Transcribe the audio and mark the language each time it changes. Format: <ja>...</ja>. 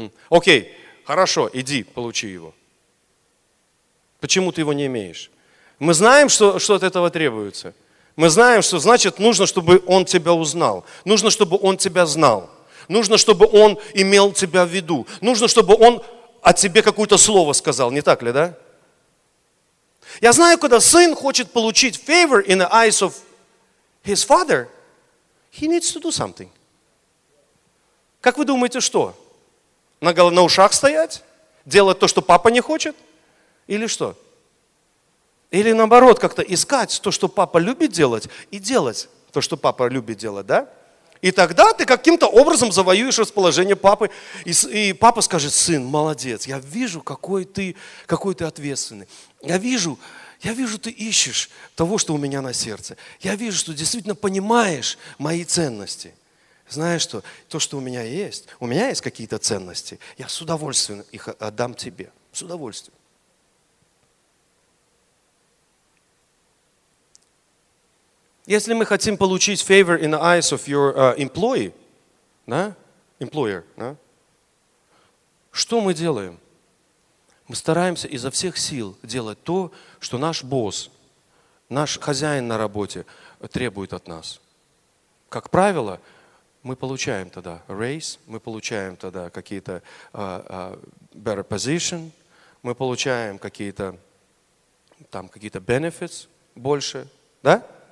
<ru>Окей, хорошо, иди, получи его. Почему ты его не имеешь? Мы знаем, что от этого требуется. Мы знаем, что значит нужно, чтобы он тебя узнал. Нужно, чтобы он тебя знал. Нужно, чтобы он имел тебя в виду. Нужно, чтобы он о тебе какое-то слово сказал. Не так ли, да? Я знаю, когда сын хочет получить</ru> <en>favor in the eyes of his father, he needs to do something.</en> <ru>Как вы думаете, что? На ушах стоять? Делать то, что папа не хочет? Или что? Или наоборот, как-то искать то, что папа любит делать, и делать то, что папа любит делать, да? И тогда ты каким-то образом завоюешь расположение папы. И папа скажет: сын, молодец, я вижу, какой ты ответственный. Я вижу, ты ищешь того, что у меня на сердце. Я вижу, что действительно понимаешь мои ценности. Знаешь что? То, что у меня есть какие-то ценности, я с удовольствием их отдам тебе. С удовольствием. Если мы хотим получить</ru> <en>favor in the eyes of your employee,</en> <ru>да? Employer, да? Что мы делаем? Мы стараемся изо всех сил делать то, что наш босс, наш хозяин на работе требует от нас. Как правило, мы получаем тогда raise, мы получаем тогда какие-то better position, мы получаем какие-то там какие-то benefits больше, да?</ru>